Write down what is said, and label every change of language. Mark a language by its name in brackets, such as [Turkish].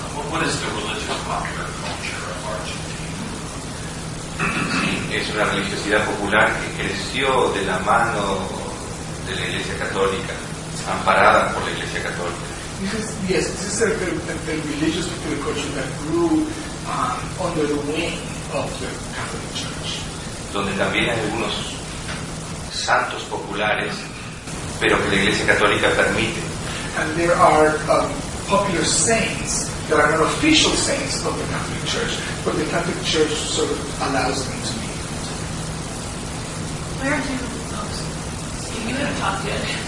[English] What is the religious popular culture of Argentina? [Spanish] Sí, es una religiosidad popular que creció de la mano de la Iglesia Católica, amparada por la Iglesia Católica. [English] Yes, this is the religious popular culture that grew under the wing of the Catholic Church. [Spanish] Donde también hay algunos santos populares, pero que la Iglesia Católica permite. [English] And there are popular saints that are not official saints of the Catholic Church, but the Catholic Church sort of allows them to be. Where do you... Oh, so you haven't talked yet.